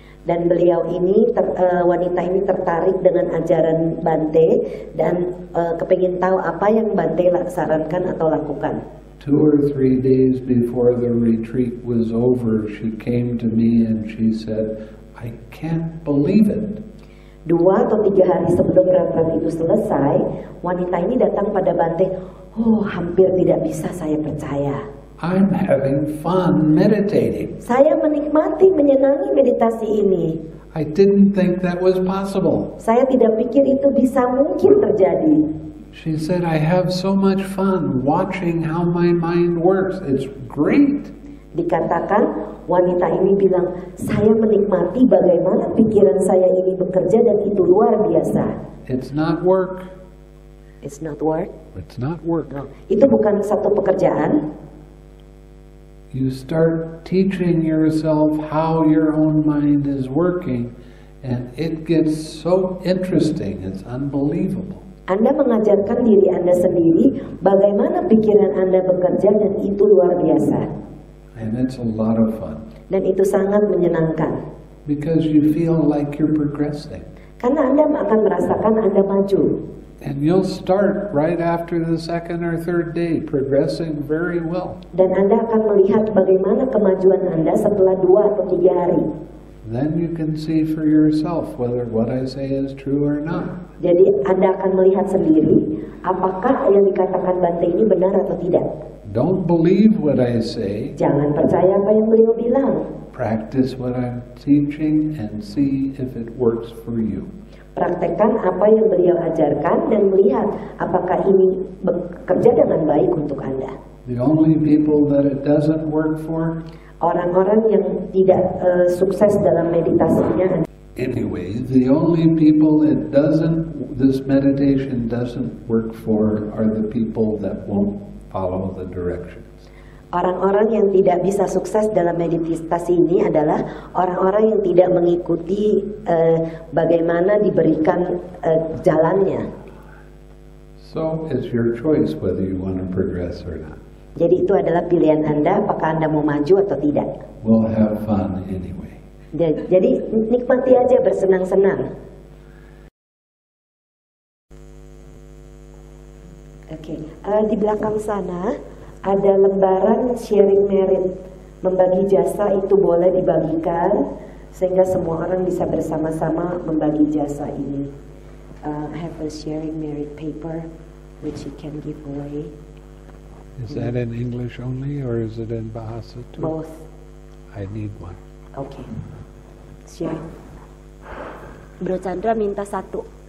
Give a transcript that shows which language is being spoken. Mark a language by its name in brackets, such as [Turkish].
[Indonesian] Dan beliau ini, wanita ini tertarik dengan ajaran Bante dan kepingin tahu apa yang Bante sarankan atau lakukan. [English] 2 or 3 days before the retreat was over, she came to me and she said, "I can't believe it." [Indonesian] 2 atau 3 hari sebelum retreat itu selesai, wanita ini datang pada Bante. Oh, hampir tidak bisa saya percaya. [English] I'm having fun meditating. [Indonesian] Saya menikmati menyenangi meditasi ini. [English] I didn't think that was possible. [Indonesian] Saya tidak pikir itu bisa mungkin terjadi. [English] She said, "I have so much fun watching how my mind works. It's great." [Indonesian] Dikatakan wanita ini bilang, "Saya menikmati bagaimana pikiran saya ini bekerja dan itu luar biasa." [English] It's not work. It's not work. It's not work. No. [Indonesian] Itu bukan satu pekerjaan. [English] You start teaching yourself how your own mind is working, and it gets so interesting. It's unbelievable. [Indonesian] Anda mengajarkan diri Anda sendiri bagaimana pikiran Anda bekerja dan itu luar biasa. [English] And it's a lot of fun. [Indonesian] Dan itu sangat menyenangkan. [English] Because you feel like you're progressing. [Indonesian] Karena Anda akan merasakan Anda maju. [English] And you'll start right after the 2nd or 3rd day, progressing very well. [Indonesian] Dan Anda akan melihat bagaimana kemajuan Anda setelah 2 atau 3 hari. [English] Then you can see for yourself whether what I say is true or not. [Indonesian] Jadi Anda akan melihat sendiri apakah yang dikatakan Bante ini benar atau tidak. [English] Don't believe what I say. [Indonesian] Jangan percaya apa yang beliau bilang. [English] practice what I'm teaching and see if it works for you. [Indonesian] Praktekkan apa yang beliau ajarkan dan melihat apakah ini bekerja dengan baik untuk Anda. [English] The only people that it doesn't work for, [Indonesian] orang-orang yang tidak sukses dalam meditasinya. [English] Anyway, the only people it doesn't, this meditation doesn't work for, are the people that won't follow the directions. [Indonesian] Orang-orang yang tidak bisa sukses dalam meditasi ini adalah orang-orang yang tidak mengikuti bagaimana diberikan jalannya. [English] So it's your choice whether you want to progress or not. [Indonesian] Jadi itu adalah pilihan Anda, apakah Anda mau maju atau tidak. [English] We'll have fun anyway. [Indonesian] Jadi nikmati aja, bersenang-senang. Oke, di belakang sana ada lembaran sharing merit. Membagi jasa itu boleh dibagikan sehingga semua orang bisa bersama-sama membagi jasa ini. [English] I have a sharing merit paper which you can give away. Is that in English only or is it in Bahasa too? Both. I need one. [Indonesian] Okay. Sharing. Bro Chandra minta satu.